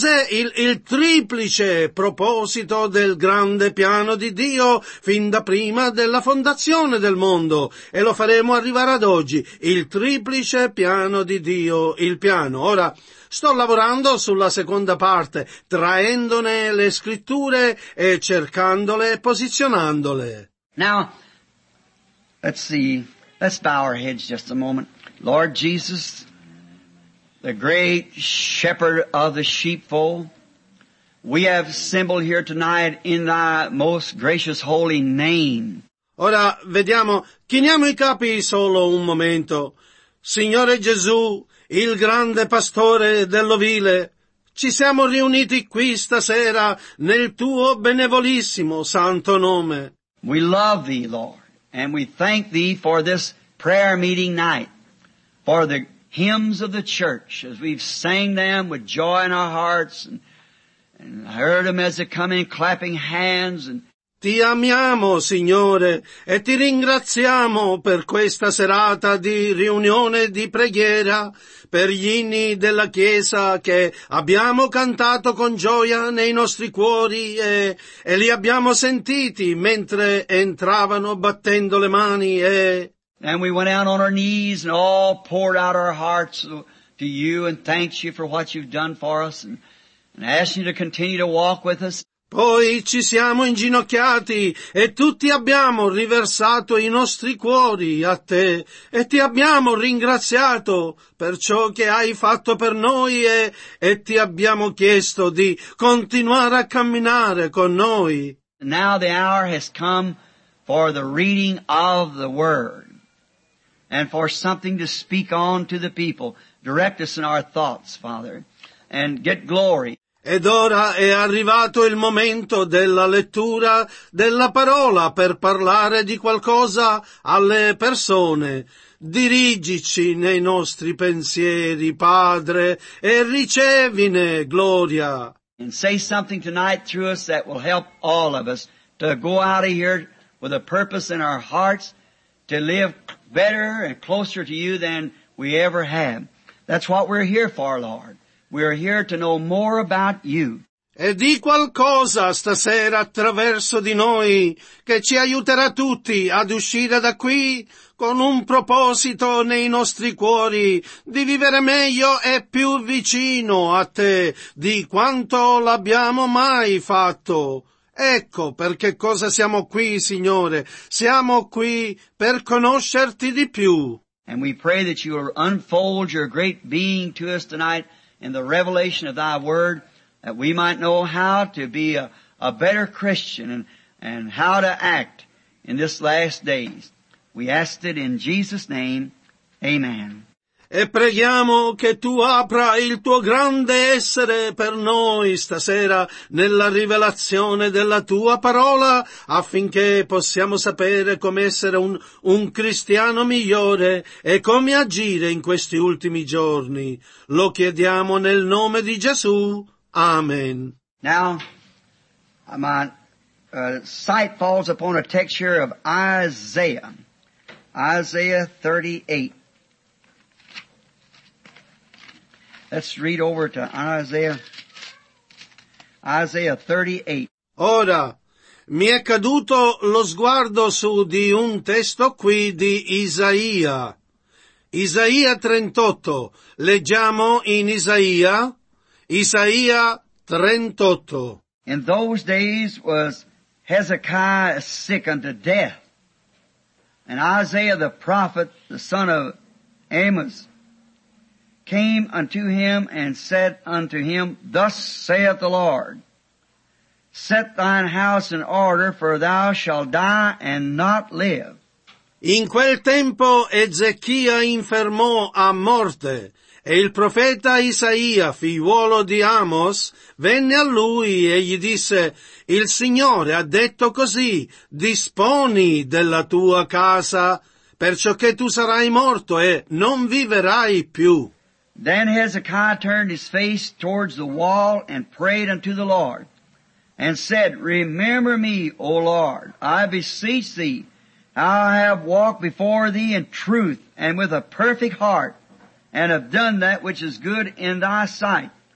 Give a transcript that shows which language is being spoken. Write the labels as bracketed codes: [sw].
[it] il triplice proposito del grande piano di Dio fin da prima della fondazione del mondo, e lo faremo arrivare ad oggi, il triplice piano di Dio, il piano. Ora, sto lavorando sulla seconda parte, traendone le scritture e cercandole e posizionandole. [en] Now, let's see, let's bow our heads just a moment. Lord Jesus, the great shepherd of the sheepfold, we have assembled here tonight in thy most gracious holy name. [it] Ora vediamo, chiniamo i capi solo un momento. Signore Gesù, il grande pastore dell'ovile, ci siamo riuniti qui stasera nel tuo benevolissimo santo nome. [en] We love thee, Lord, and we thank thee for this prayer meeting night, for the hymns of the church, as we've sang them with joy in our hearts, and heard them as they come in clapping hands. And [it] ti amiamo, Signore, e ti ringraziamo per questa serata di riunione di preghiera, per gli inni della Chiesa che abbiamo cantato con gioia nei nostri cuori e li abbiamo sentiti mentre entravano battendo le mani e... [en] And we went out on our knees and all poured out our hearts to you and thanked you for what you've done for us and asked you to continue to walk with us. [it] Poi ci siamo inginocchiati e tutti abbiamo riversato i nostri cuori a te e ti abbiamo ringraziato per ciò che hai fatto per noi e ti abbiamo chiesto di continuare a camminare con noi. [en] And now the hour has come for the reading of the word. And for something to speak on to the people. Direct us in our thoughts, Father. And get glory. [it] Ed ora è arrivato il momento della lettura della parola per parlare di qualcosa alle persone. Dirigici nei nostri pensieri, Padre, e ricevine gloria. [en] And say something tonight through us that will help all of us to go out of here with a purpose in our hearts to live better and closer to you than we ever have. That's what we're here for, Lord. We're here to know more about you. [it] E di qualcosa stasera attraverso di noi che ci aiuterà tutti ad uscire da qui con un proposito nei nostri cuori di vivere meglio e più vicino a te di quanto l'abbiamo mai fatto. Ecco perché cosa siamo qui, Signore. Siamo qui per conoscerti di più. [en] And we pray that you will unfold your great being to us tonight in the revelation of thy word, that we might know how to be a better Christian and how to act in this last days. We ask it in Jesus' name. Amen. [it] E preghiamo che tu apra il tuo grande essere per noi stasera nella rivelazione della tua parola affinché possiamo sapere come essere un cristiano migliore e come agire in questi ultimi giorni. Lo chiediamo nel nome di Gesù. Amen. [en] Now, my sight falls upon a texture of Isaiah. Isaiah 38. Let's read over to Isaiah 38. [it] Ora, mi è caduto lo sguardo su di un testo qui di Isaia. Isaia 38. Leggiamo in Isaia. Isaia 38. [en] In those days was Hezekiah sick unto death. And Isaiah the prophet, the son of Amos, came unto him and said unto him, Thus saith the Lord, Set thine house in order, for thou shalt die and not live. [it] In quel tempo Ezechia infermò a morte, e il profeta Isaia, figliuolo di Amos, venne a lui e gli disse, Il Signore ha detto così, Disponi della tua casa, perciò che tu sarai morto e non viverai più. [en] Then Hezekiah turned his face towards the wall and prayed unto the Lord, and said, Remember me, O Lord, I beseech thee, how I have walked before thee in truth and with a perfect heart, and have done that which is good in thy sight.